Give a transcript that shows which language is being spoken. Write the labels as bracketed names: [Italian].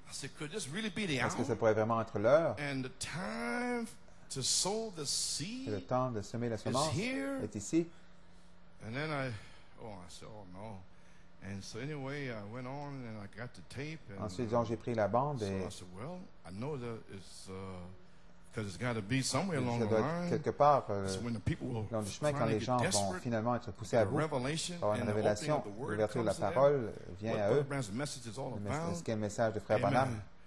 [French] Est-ce que ça pourrait vraiment être l'heure? [English] And the time to sow the seed. [French] Le temps de semer la semence est ici. [English] And then I said, oh no. And so anyway, I went on and I got the tape. [French] Ensuite, disons, j'ai pris la bande et. [English] So I said, well, I know that it's. Because it's got to be somewhere along the line. [French] Quelque part, dans le chemin, quand les gens vont finalement être poussés à bout, par une révélation, l'ouverture de la parole vient à eux. Est-ce qu'il y a un message de Frère Branham?